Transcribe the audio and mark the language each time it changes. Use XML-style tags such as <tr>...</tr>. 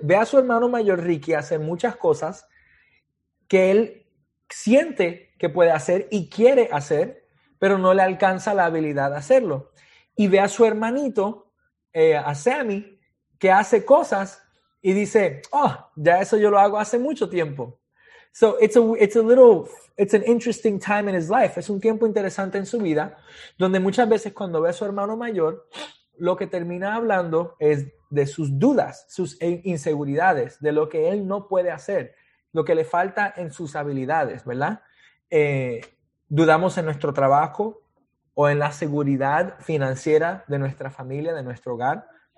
<es>Ve a su hermano mayor Ricky hacer muchas cosas que él siente que puede hacer y quiere hacer, pero no le alcanza la habilidad de hacerlo. Y ve a su hermanito, a Sammy, que hace cosas y dice, oh, ya eso yo lo hago hace mucho tiempo.</es> <en>So it's an interesting time in his life.</en> <es>Es un tiempo interesante en su vida, donde muchas veces cuando ve a su hermano mayor, lo que termina hablando es de sus dudas, sus inseguridades, de lo que él no puede hacer, lo que le falta en sus habilidades, ¿verdad? Dudamos en nuestro trabajo o en la seguridad financiera de nuestra familia, de nuestro hogar.</es>